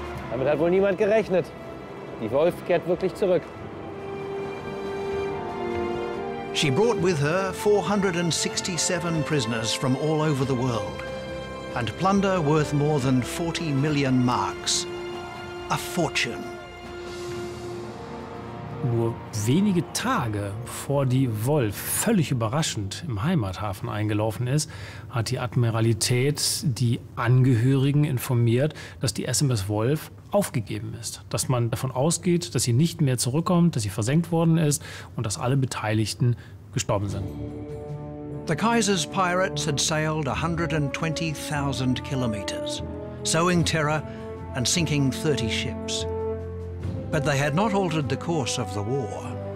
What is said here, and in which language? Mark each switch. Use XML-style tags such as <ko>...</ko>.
<de>Damit hat wohl niemand gerechnet. Die Wolf kehrt wirklich zurück.</de> <en>She brought with her 467 prisoners from all over the world, and plunder worth more than 40 million marks. A fortune.</en> <de>Nur wenige Tage vor die Wolf völlig überraschend im Heimathafen eingelaufen ist, hat die Admiralität die Angehörigen informiert, dass die SMS Wolf aufgegeben ist. Dass man davon ausgeht, dass sie nicht mehr zurückkommt, dass sie versenkt worden ist und dass alle Beteiligten gestorben sind.</de> <en>The Kaiser's pirates had sailed 120,000 kilometers, sowing terror and sinking 30 ships. But they had not altered the course of the war.</en>